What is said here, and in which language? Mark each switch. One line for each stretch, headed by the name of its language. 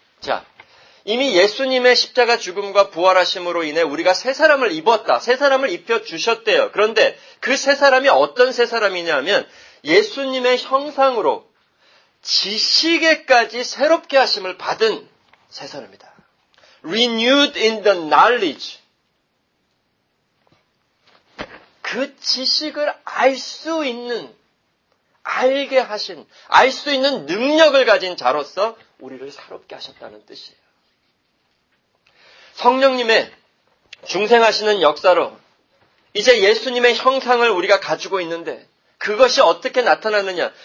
Korean: 자, 이미 예수님의 십자가 죽음과 부활하심으로 인해 우리가 새 사람을 입었다. 새 사람을 입혀주셨대요. 그런데 그 새 사람이 어떤 새 사람이냐면 예수님의 형상으로 지식에까지 새롭게 하심을 받은 새 사람입니다.
English: Renewed in the knowledge.
Korean: 그 지식을 알 수 있는, 알게 하신, 알 수 있는 능력을 가진 자로서 우리를 새롭게 하셨다는 뜻이에요. 성령님의 중생하시는 역사로 이제 예수님의 형상을 우리가 가지고 있는데 그것이 어떻게 나타났느냐.